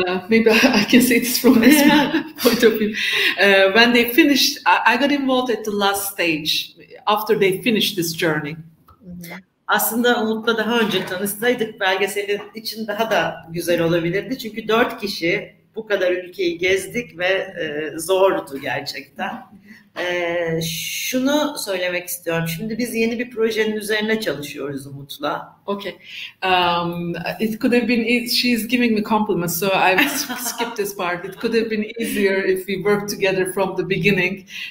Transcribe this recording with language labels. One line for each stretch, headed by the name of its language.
English: Maybe I can say this from this point of view. When they finished, I got involved at the last stage after they finished this journey.
Turkish: Aslında Umut'la daha önce tanışsaydık belgeselin için daha da güzel olabilirdi. Çünkü 4 kişi bu kadar ülkeyi gezdik ve zordu gerçekten. Şunu söylemek istiyorum. Şimdi biz yeni bir projenin üzerine çalışıyoruz Umut'la.
English: Okay. It could have been she's giving me compliments, so I skipped this part. It could have been easier if we worked together from the beginning.